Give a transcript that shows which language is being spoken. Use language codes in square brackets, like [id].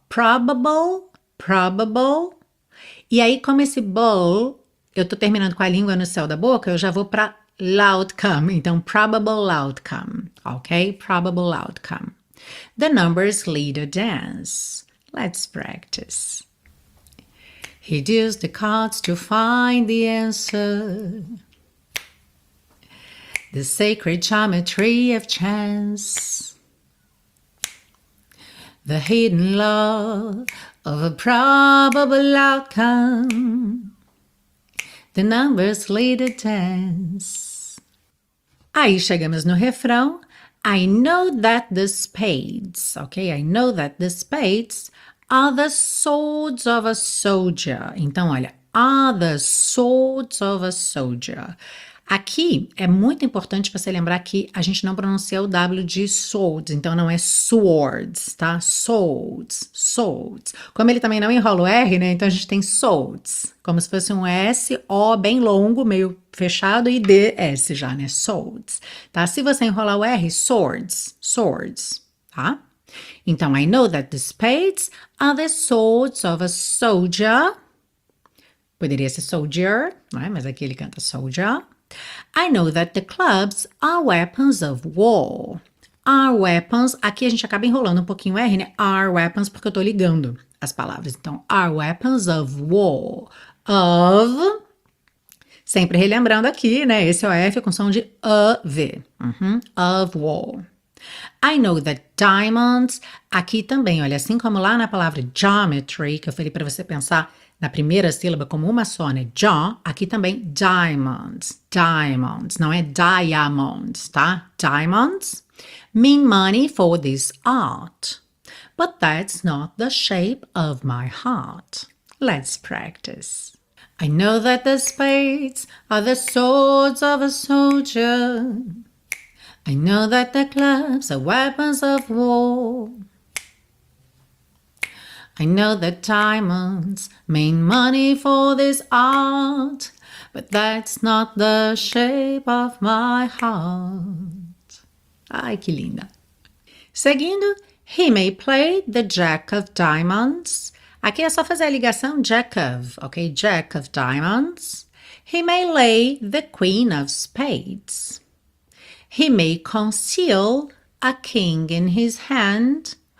[pt] Probable, probable. E aí, como esse bowl, eu tô terminando com a língua no céu da boca, eu já vou pra outcome. [en] Então, probable outcome, ok? Probable outcome. The numbers lead a dance. Let's practice. He deals the cards to find the answer. The sacred geometry of chance. The hidden law of a probable outcome. The numbers lead a dance. [pt] Aí chegamos no refrão. [en] I know that the spades, okay? I know that the spades are the swords of a soldier. Então, olha, are the swords of a soldier. [pt] Aqui é muito importante você lembrar que a gente não pronuncia o W de swords, então não é swords, tá? Swords, swords. Como ele também não enrola o R, né? Então a gente tem swords, como se fosse um S, O bem longo, meio fechado e DS já, né? Swords, tá? Se você enrolar o R, swords, swords, tá? [en] Então, I know that the spades are the swords of a soldier. [pt] Poderia ser soldier, não é? Mas aqui ele canta soldier. [en] I know that the clubs are weapons of war. Are weapons. [pt] Aqui a gente acaba enrolando um pouquinho o R, né? [en] Are weapons, [pt] porque eu tô ligando as palavras. [en] Então, are weapons of war. [pt] Of. Sempre relembrando aqui, né? Esse é o F com som de of. Of war. [en] I know that diamonds. [pt] Aqui também, olha, assim como lá na palavra geometry, que eu falei para você pensar na primeira sílaba como uma só, né? Jaw, aqui também diamonds, diamonds, não é diamonds, tá? [en] Diamonds mean money for this art. But that's not the shape of my heart. Let's practice. I know that the spades are the swords of a soldier. I know that the clubs are weapons of war. I know that diamonds mean money for this art, but that's not the shape of my heart. [pt] Ai, que linda! [en] Seguindo, he may play the Jack of Diamonds. [pt] Aqui é só fazer a ligação Jack of, ok? [en] Jack of Diamonds. He may lay the Queen of Spades. He may conceal a king in his hand.